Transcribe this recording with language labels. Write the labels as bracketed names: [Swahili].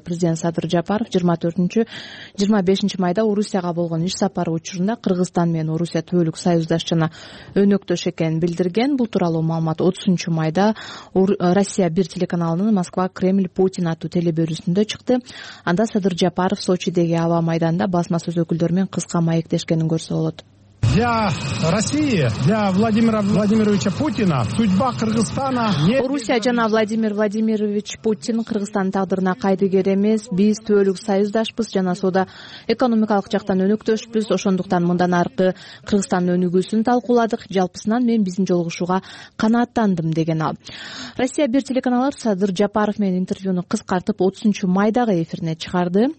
[Kyrgyz] Президент Садыр Жапаров 24-25 майда Орусияга болгон иш сапары учурунда Кыргызстан менен Орусия түбөлүк союздаш жана өнөктөш экенин билдирген. Бул тууралуу маалымат 30 майда Россия 1 телеканалынын Москва Кремль Путин аттуу телеберүүсүндө чыкты. Анда Садыр Жапаров Сочидеги аба майданында басма сөз өкүлдөрү менен кыска маектешкенин көрсө болот. [Russian] Для России, для Владимира Владимировича Путина судьба Кыргызстана не [Kyrgyz] Орусия жана Владимир Владимирович Путин Кыргызстандын тагдырына кайдыгер эмес. Биз түбөлүк союздашбыз жана соода экономикалык жактан өнөктөшпүз. Ошондуктан мындан аркы Кыргызстандын өнүгүүсүн талкууладык. Жалпысынан мен биздин жолугушууга канааттандым деген ал. Россия 1 телеканалы Садыр Жапаров менен интервьюну кыскартып 30 майдагы эфирине чыгарды.